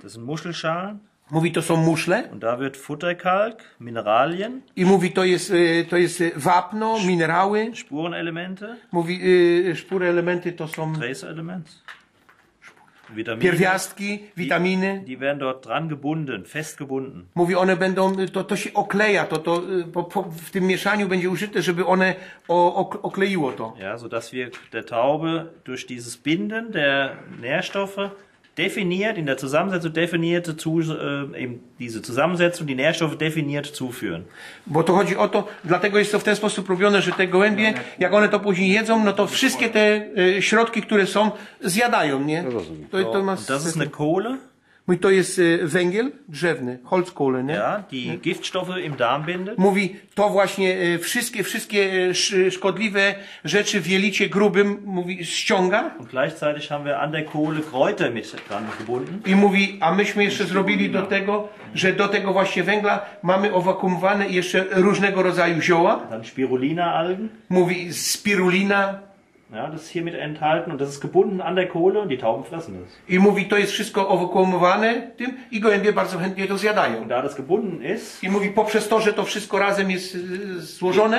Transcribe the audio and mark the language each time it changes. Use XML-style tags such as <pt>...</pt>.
<de>Das sind Muschelschalen.</de> <pl>Mówi, to są muszle.</pl> <de>Und da wird Futterkalk, Mineralien.</de> <pl>I mówi, to jest wapno, minerały.</pl> <de>Spurenelemente.</de> <pl>Mówi, spurenelementy to są.</pl> <en>Trace elements.</en> <pl>Vitamine, pierwiastki, witaminy.</pl> <de>Die werden dort dran gebunden, festgebunden.</de> <pl>Mówi, one będą, to się okleja, to po w tym mieszaniu będzie użyte, żeby one okleiło to.</pl> <de>Ja, so dass wir der Taube durch dieses Binden der Nährstoffe definiert, in der Zusammensetzung definierte zu, eben diese Zusammensetzung, die Nährstoffe definiert zuführen.</de> <pl>Bo to chodzi o to, dlatego jest to w ten sposób robione, że te gołębie, jak one to później jedzą, no to wszystkie te środki, które są, zjadają, nie? To ma sens.</pl> <de>Das ist eine Kohle.</de> <pl>Mówi, to jest węgiel drzewny, Holzkohle, nie?</pl> <de>Ja, die Giftstoffe im Darm bindet.</de> <pl>Mówi, to właśnie wszystkie szkodliwe rzeczy w jelicie grubym, mówi, ściąga.</pl> <de>Und gleichzeitig haben wir an der Kohle Kräuter mit dran gebunden.</de> <pl>I mówi, a myśmy jeszcze zrobili do tego, że do tego właśnie węgla mamy owakumowane jeszcze różnego rodzaju zioła.</pl> <de>Dann Spirulina Algen.</de> <pl>Mówi, spirulina.</pl> <de>Ja, das ist hiermit enthalten und das ist gebunden an der Kohle und die Tauben fressen es.</de> <pl>I mówi, to jest wszystko owakumowane tym i gołębie bardzo chętnie to zjadają.</pl> <de>Und da das gebunden ist,</de> <pl>i mówi, poprzez to, że to wszystko razem jest złożone,</pl>